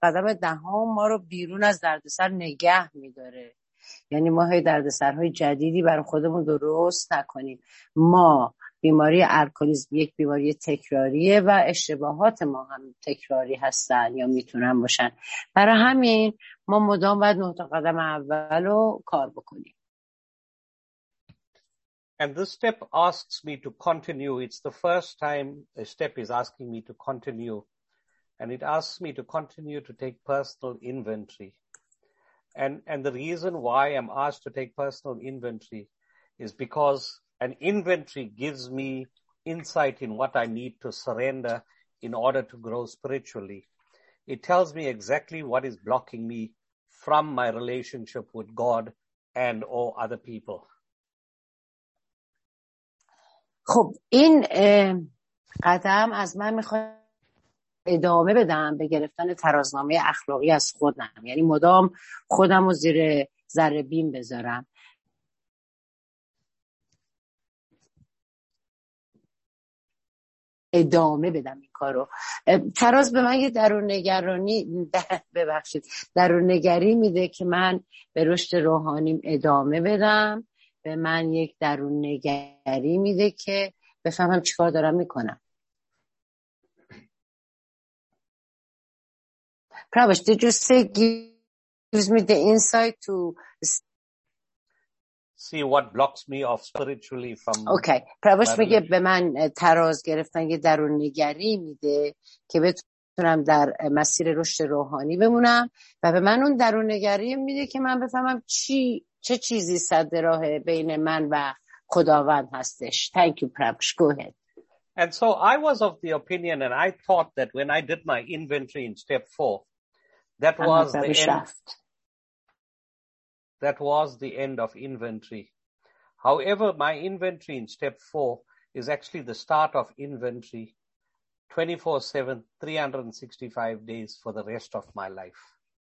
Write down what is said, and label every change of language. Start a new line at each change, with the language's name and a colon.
Persian: قدم دهم ما رو بیرون از دردسر نگه میداره، یعنی ما های دردسرهای جدیدی برای خودمون درست نکنیم. ما بیماری الکلیسم یک بیماری تکراریه و اشتباهات ما هم تکراری هستن یا میتونن باشن، برای همین ما مدام باید 9 تا قدم اولو کار بکنیم.
English: And this step asks me to continue. It's the first time a step is asking me to continue, and it asks me to continue to take personal inventory. And the reason why I'm asked to take personal inventory is because an inventory gives me insight in what I need to surrender in order to grow spiritually. It tells me exactly what is blocking me from my relationship with God and or other people.
Persian: خب این قدم از من میخواد ادامه بدم به گرفتن ترازنامه اخلاقی از خودم، یعنی مدام خودم رو زیر ذره بین بذارم. ادامه بدم این کارو. تراز به من یه درون نگری میده که من به رشد روحانیم ادامه بدم. به من یک درون نگری میده که بفهمم چیکار دارم میکنم.
English: Parvash, did you say gives me the insight to see what blocks me off spiritually from
Persian: okay پرواش میگه به من تراز گرفتن یه درون نگری میده که بتونم در مسیر رشد روحانی بمونم، و به من اون درون نگری میده که من بفهمم چه چیزی سد راه بین من و خداوند هستش.
English: Thank you Parvash. Go ahead. And so I was of the opinion and I thought that when I did my inventory in step 4 that was the end. That was the end of inventory. However, my inventory in step 4 is actually the start of inventory 24/7, 365 days for the rest of my life.